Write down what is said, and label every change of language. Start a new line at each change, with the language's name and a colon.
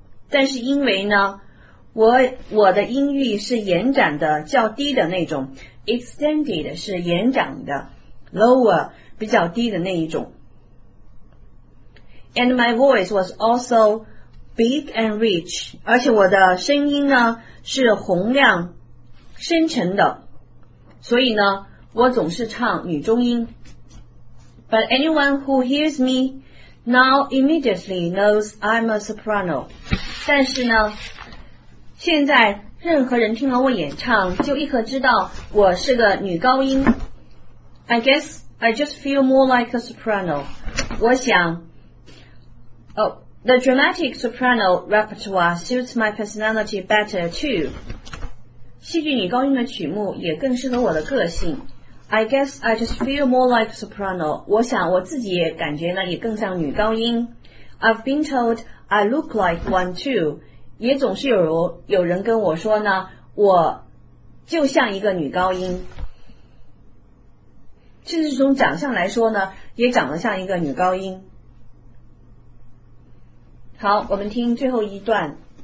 Chinese: 但是因为呢 我的音域是延展的，较低的那种， extended 是延展的， lower 比较低的那一种，
English: and my voice was alsobig and rich,
Chinese: 而且我的声音呢是洪亮深沉的，所以呢我总是唱女中音。
English: But anyone who hears me now immediately knows I'm a soprano.
Chinese: 但是呢现在任何人听了我演唱就立刻知道我是个女高音。
English: I guess I just feel more like a soprano.
Chinese: 我想
English: The dramatic soprano repertoire suits my personality better too.
Chinese: 戏剧女高音的曲目也更适合我的个性。
English: I guess I just feel more like soprano.
Chinese: 我想我自己也感觉呢也更像女高音。
English: I've been told I look like one too.
Chinese: 也总是有人跟我说呢我就像一个女高音，甚至从长相来说呢也长得像一个女高音。好，我们听最后一段。